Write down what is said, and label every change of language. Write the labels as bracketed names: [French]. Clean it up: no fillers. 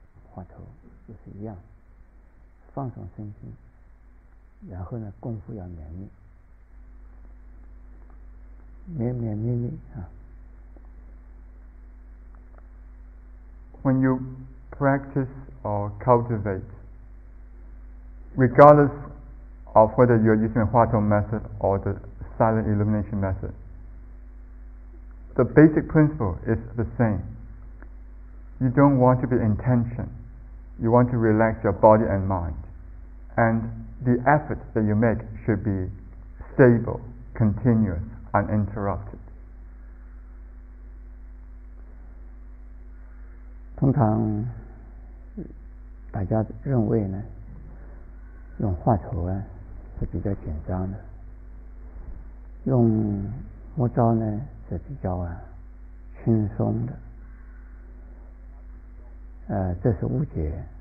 [Chinese] 话头就是一样，放松身心，然后呢，功夫要绵密，绵绵密密啊。 [English] When you practice or cultivate, regardless of whether you are using the 话头 method or the silent illumination method, the basic principle is the same. You don't want to be intention. You want to relax your body and mind. And the effort that you make should be stable, continuous, uninterrupted. [Chinese] 通常大家认为呢，用话头啊是比较紧张的，用摸招呢是比较啊轻松的，这是误解。